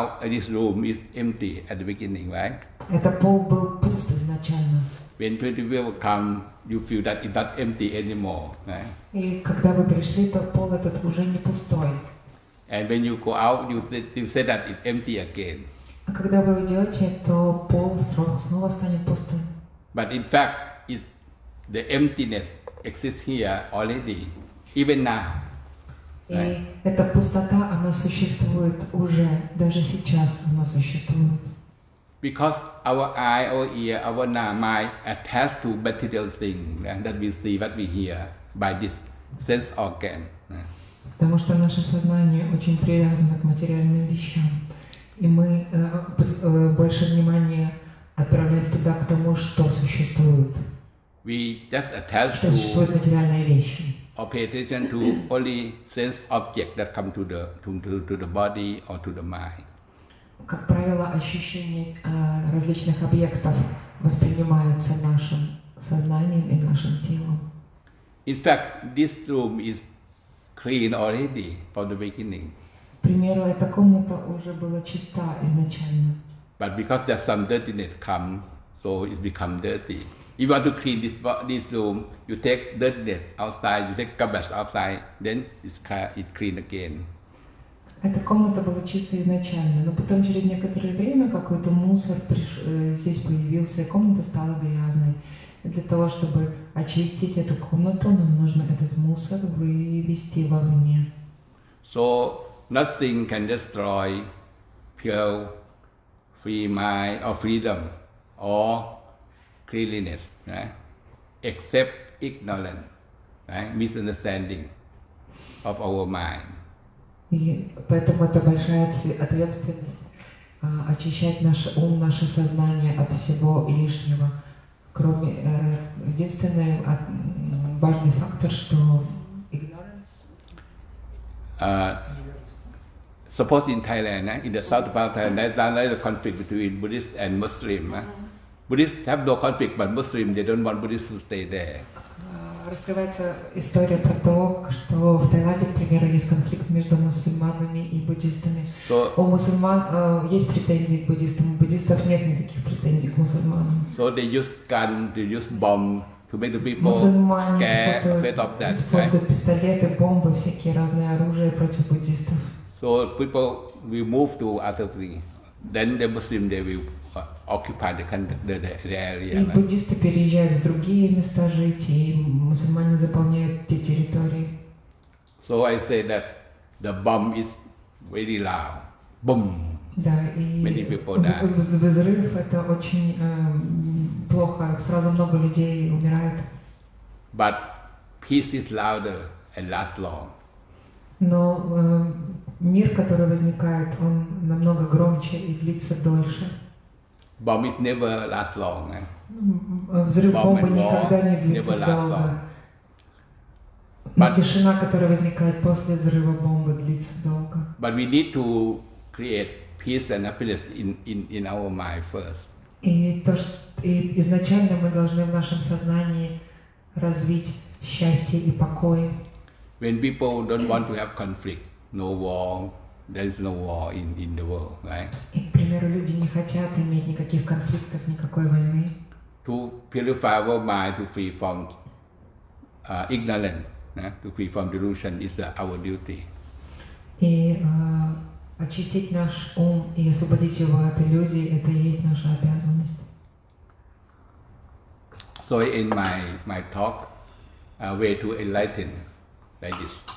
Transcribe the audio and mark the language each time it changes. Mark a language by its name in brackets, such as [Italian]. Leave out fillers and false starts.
[English] This room is empty at the beginning, right? [Russian] Это пол был пуст изначально. [English] When 20 people come, you feel that it's not empty anymore, right? [Russian] И когда вы пришли, то пол этот уже не пустой. [English] And when you go out, you say that it's empty again. [Russian] А когда вы уйдете, то пол снова станет пустым. [English] But in fact, the emptiness exists here already, even now. Right? [Russian] И эта пустота, она существует уже, даже сейчас она существует. [English] Because our eye, our ear, our mind attached to material thing that we see, what we hear by this sense organ. [Russian] Потому что наше сознание очень привязано к материальным вещам. И мы больше внимания отправляем туда, к тому, что существует. [English] We just attach [Russian] что существуют материальные вещи. [English] or pay attention to only sense objects that come to the body or to the mind. [Russian] Как правило, ощущение различных объектов воспринимается нашим сознанием и нашим телом. [English] In fact, this room is clean already from the beginning. [Russian] К примеру, эта комната уже была чиста изначально. [English] But because there's some dirtiness come, so it become dirty. If you want to clean this room, you take dirtiness outside, you take garbage outside, then it's clean again. [Russian] Эта комната была чиста изначально, но потом через некоторое время какой-то мусор здесь появился, и комната стала грязной. И для того, чтобы очистить эту комнату, нам нужно этот мусор вывести вовне. [English] So nothing can destroy pure free mind or freedom or cleanliness, except ignorance, misunderstanding of our mind. [Russian] И поэтому это большая ответственность очищать наш ум, наше сознание от всего лишнего. Кроме единственный важный фактор, что ignorance. [English] Suppose in Thailand, in the south part of Thailand, there's a conflict between Buddhists and Muslims. Buddhists have no conflict, but Muslims, they don't want Buddhists to stay there. [Russian] Раскрывается история про то, что в Таиланде, к примеру, есть конфликт между мусульманами и буддистами. [English] So, [Russian] у мусульман есть претензии к буддистам, у буддистов нет никаких претензий к мусульманам. [English] So they use gun, they use bomb to make the people scared, afraid of that. [Russian] Мусульмане используют пистолеты, бомбы, всякие разные оружия против буддистов. [English] So people will move to other things. Then the Muslim they will occupy the area. [Russian] И буддисты переезжают в другие места жить, и мусульмане заполняют те территории. [English] So I say that the bomb is very loud. Boom. [Russian] Да, [English] many people die. [Russian] Взрыв это очень плохо. Сразу много людей умирает. [English] But peace is louder and lasts long. [Russian] Но мир, который возникает, он намного громче и длится дольше. [English] Bomb it never last long. [Russian] Взрыв бомбы никогда не длится долго. [English] But [Russian] тишина, которая возникает после взрыва бомбы, длится долго. [English] But we need to create peace and happiness in our mind first. [Russian] И изначально мы должны в нашем сознании развить счастье и покой. [English] When people don't want to have conflict, no war. There is no war in the world, right? [Russian] И, к примеру, люди не хотят иметь никаких конфликтов, никакой войны. [English] To purify our mind, to free from ignorance, to free from delusion is our duty. [Russian] И очистить наш ум и освободить его от иллюзий – это и есть наша обязанность. [English] So in my talk, a way to enlighten, like this.